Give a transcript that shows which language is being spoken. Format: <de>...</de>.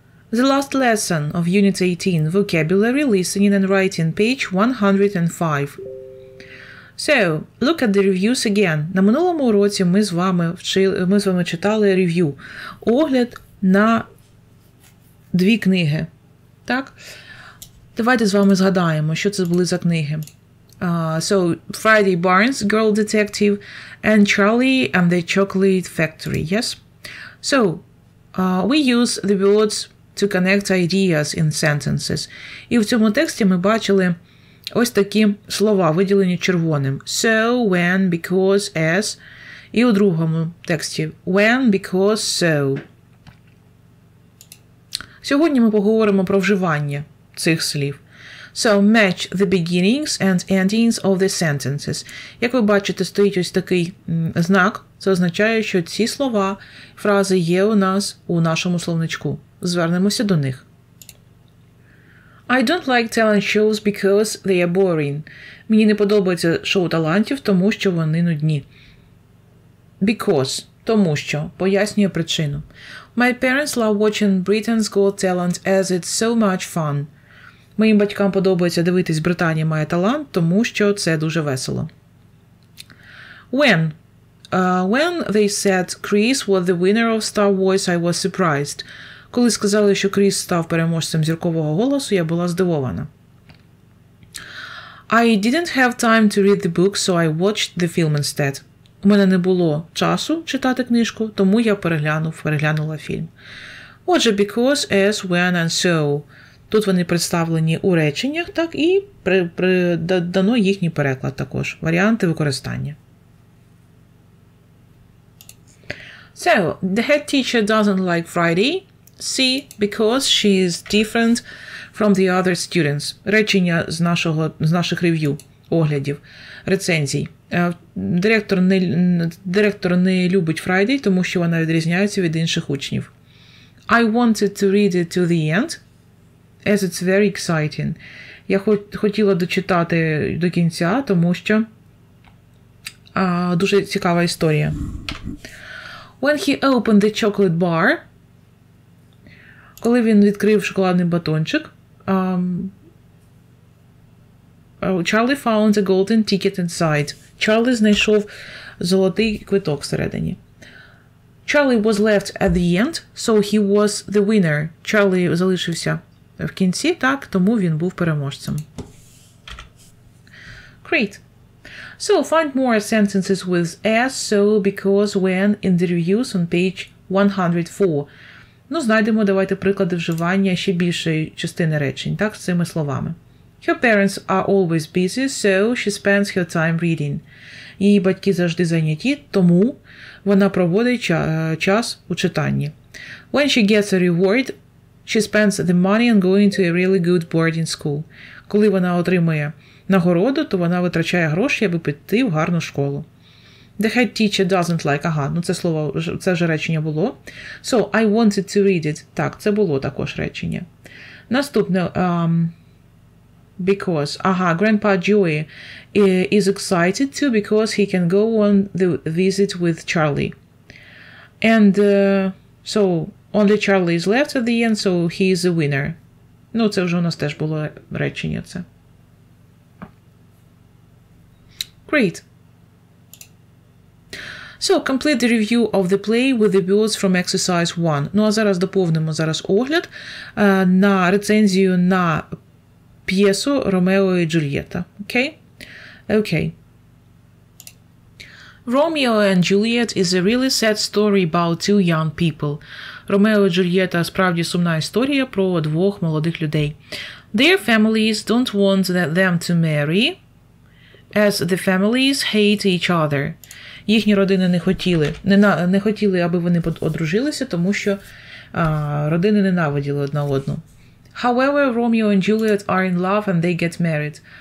<en>The last lesson of Unit 18, Vocabulary, Listening and Writing, page 105. So, look at the reviews again.</en> <uk>На минулому уроці ми з вами читали рев'ю. Огляд на дві книги. Так? Давайте з вами згадаємо, що це були за книги.</uk> <en>So, Friday Barnes, Girl Detective, and Charlie and the Chocolate Factory, yes? So, we use the words to connect ideas in sentences.</en> <uk>І в цьому тексті ми бачили ось такі слова, виділені червоним.</uk> <en>So, when, because, as.</en> <uk>І у другому тексті.</uk> <en>When, because, so.</en> <uk>Сьогодні ми поговоримо про вживання цих слів.</uk> <en>So, match the beginnings and endings of the sentences.</en> <uk>Як ви бачите, стоїть ось такий знак. Це означає, що ці слова, фрази є у нас у нашому словничку. Звернемося до них.</uk> <en>I don't like talent shows because they are boring.</en> <uk>Мені не подобається шоу талантів, тому що вони нудні.</uk> <en>Because.</en> <uk>Тому що. Пояснює причину.</uk> <en>My parents love watching Britain's Got Talent as it's so much fun.</en> <uk>Моїм батькам подобається дивитись «Британія має талант», тому що це дуже весело.</uk> <en>When? When they said Chris was the winner of Star Wars, I was surprised.</en> <uk>Коли сказали, що Кріс став переможцем зіркового голосу, я була здивована.</uk> <en>I didn't have time to read the book, so I watched the film instead.</en> <uk>У мене не було часу читати книжку, тому я переглянула фільм.</uk> <en>Отже, because, as, when and so.</en> <uk>Тут вони представлені у реченнях, так, і дано їхній переклад також, варіанти використання.</uk> <en>So, the head teacher doesn't like Friday. See, because she is different from the other students.</en> <uk>Речення з наших рев'ю, оглядів, рецензій. Директор не любить Friday, тому що вона відрізняється від інших учнів.</uk> <en>I wanted to read it to the end, as it's very exciting.</en> <uk>Я хотіла дочитати до кінця, тому що дуже цікава історія.</uk> <en>When he opened the chocolate bar,</en> <uk>коли він відкрив шоколадний батончик,</uk> <en>Charlie found a golden ticket inside.</en> <uk>Чарлі знайшов золотий квиток всередині.</uk> <en>Charlie was left at the end, so he was the winner.</en> <uk>Чарлі залишився в кінці, так, тому він був переможцем.</uk> <en>Great. So, find more sentences with as, so, because, when in the reviews on page 104.</en> <uk>Ну, знайдемо, давайте, приклади вживання ще більшої частини речень, так, з цими словами.</uk> <en>Her parents are always busy, so she spends her time reading.</en> <uk>Її батьки завжди зайняті, тому вона проводить час у читанні.</uk> <en>When she gets a reward, she spends the money on going to a really good boarding school.</en> <uk>Коли вона отримує нагороду, то вона витрачає гроші, аби піти в гарну школу.</uk> <en>The head teacher doesn't like.</en> <uk>Ага, ну це вже речення було.</uk> <en>So, I wanted to read it.</en> <uk>Так, це було також речення. Наступне. Because.</uk> <en>Ага, Grandpa Joey is excited too because he can go on the visit with Charlie. And so, only Charlie is left at the end, so he is the winner.</en> <uk>Ну, це вже у нас теж було речення це.</uk> <en>Great. So, complete the review of the play with the words from exercise 1.</en> <uk>Ну, а зараз доповнимо зараз огляд на рецензію на п'єсу Ромео і Джульєта.</uk> <en>Okay? Okay. Romeo and Juliet is a really sad story about two young people.</en> <uk>Ромео і Джульєта справді сумна історія про двох молодих людей.</uk> <en>Their families don't want them to marry, as the families hate each other.</en> <uk>Їхні родини не хотіли, аби вони одружилися, тому що родини ненавиділи одна одну.</uk> <en>However, Romeo and Juliet are in love and they get married.</en>